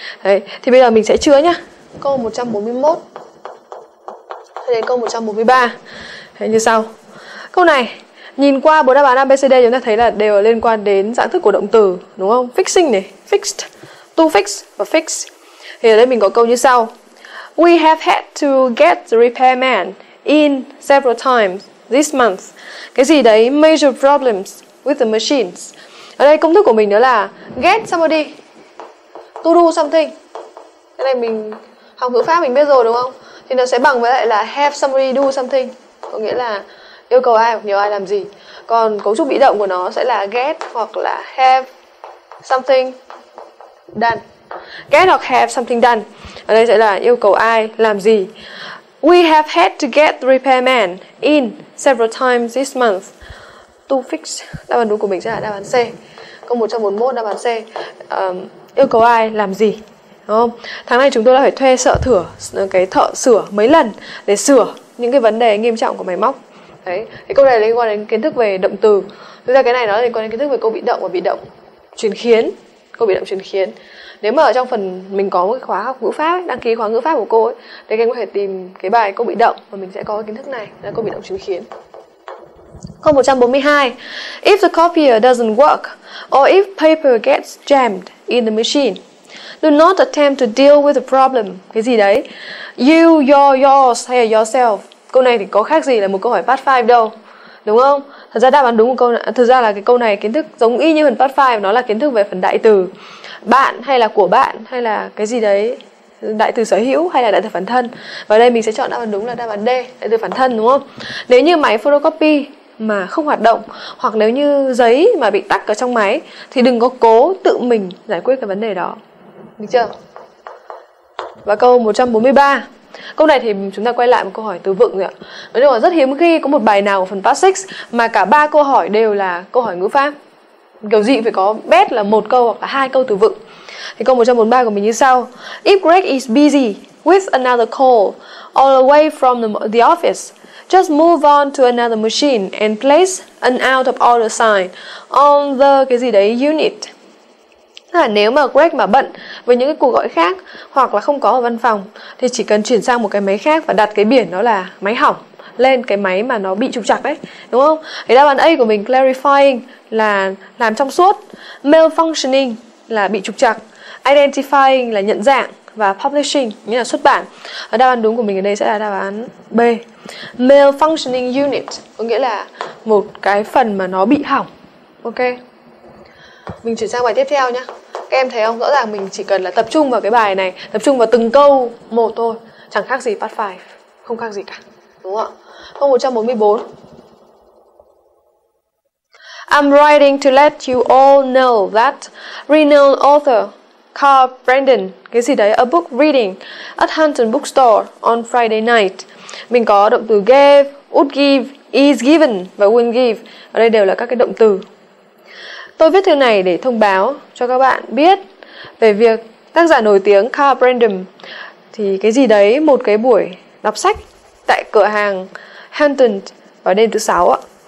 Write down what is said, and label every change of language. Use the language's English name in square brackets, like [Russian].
[Vietnamese] Đấy, thì bây giờ mình sẽ chứa nhá. Câu 141 cho đến câu 143. Thế như sau. Câu này, nhìn qua bộ đáp án ABCD chúng ta thấy là đều liên quan đến dạng thức của động từ, đúng không? Fixing này, fixed, to fix và fix. Thì ở đây mình có câu như sau. [English] We have had to get the repairman in several times this month. [Vietnamese] Cái gì đấy? [English] Major problems with the machines. [Vietnamese] Ở đây công thức của mình đó là [English] get somebody to do something. [Vietnamese] Cái này mình học ngữ pháp mình biết rồi đúng không? Thì nó sẽ bằng với lại là [English] have somebody do something, [Vietnamese] có nghĩa là yêu cầu ai hoặc nhờ ai làm gì. Còn cấu trúc bị động của nó sẽ là get hoặc là [English] have something done. [Vietnamese] Get hoặc [English] have something done. [Vietnamese] Ở đây sẽ là yêu cầu ai làm gì. [English] We have had to get the repairman in several times this month to fix. [Vietnamese] Đáp án đúng của mình sẽ là đáp án C. Câu 141 đáp án C. Yêu cầu ai làm gì, đúng không? Tháng này chúng tôi đã phải thuê thợ sửa mấy lần để sửa những cái vấn đề nghiêm trọng của máy móc. Đấy. Thì câu này liên quan đến kiến thức về động từ. Thực ra cái này nó liên quan đến kiến thức về câu bị động và bị động chuyển khiến. Câu bị động chuyển khiến. Nếu mà ở trong phần mình có một cái khóa học ngữ pháp ấy, đăng ký khóa ngữ pháp của cô ấy, thì các em có thể tìm cái bài câu bị động và mình sẽ có cái kiến thức này là câu bị động chuyển khiến. Câu 142. [English] If the copier doesn't work or if paper gets jammed in the machine, do not attempt to deal with the problem. [Vietnamese] Cái gì đấy? You, your, yours hay yourself. Câu này thì có khác gì là một câu hỏi part 5 đâu, đúng không? Thật ra đáp án đúng của câu này, thực ra là cái câu này kiến thức giống y như phần part 5, nó là kiến thức về phần đại từ. Bạn hay là của bạn hay là cái gì đấy, đại từ sở hữu hay là đại từ phản thân. Và đây mình sẽ chọn đáp án đúng là đáp án D, đại từ phản thân, đúng không? Nếu như máy photocopy mà không hoạt động hoặc nếu như giấy mà bị tắc ở trong máy thì đừng có cố tự mình giải quyết cái vấn đề đó. Được chưa? Và câu 143. Câu này thì chúng ta quay lại một câu hỏi từ vựng rồi ạ. Nói chung là rất hiếm khi có một bài nào của phần Part 6 mà cả ba câu hỏi đều là câu hỏi ngữ pháp. Kiểu gì phải có best là một câu hoặc là hai câu từ vựng. Thì câu 143 của mình như sau. [English] If Greg is busy with another call all away from the office, just move on to another machine and place an out of order sign on the [Vietnamese] cái gì đấy [English] unit. [Vietnamese] Là nếu mà Greg mà bận với những cái cuộc gọi khác hoặc là không có ở văn phòng thì chỉ cần chuyển sang một cái máy khác và đặt cái biển đó là máy hỏng lên cái máy mà nó bị trục trặc đấy, đúng không? Thì đáp án A của mình clarifying là làm trong suốt, malfunctioning là bị trục trặc, identifying là nhận dạng và publishing nghĩa là xuất bản. Và đáp án đúng của mình ở đây sẽ là đáp án B, malfunctioning unit, có nghĩa là một cái phần mà nó bị hỏng. Ok, mình chuyển sang bài tiếp theo nhá. Các em thấy không, rõ ràng mình chỉ cần là tập trung vào cái bài này, tập trung vào từng câu một thôi, chẳng khác gì part 5, không khác gì cả, đúng không ạ? Câu 144. [English] I'm writing to let you all know that renowned author Carl Brandon, [Vietnamese] cái gì đấy, [English] a book reading at Hunton Bookstore on Friday night. [Vietnamese] Mình có động từ gave, would give, is given và will give. Ở đây đều là các cái động từ. Tôi viết thư này để thông báo cho các bạn biết về việc tác giả nổi tiếng Carl Brandon thì cái gì đấy, một cái buổi đọc sách tại cửa hàng Hunton vào đêm thứ 6 ạ.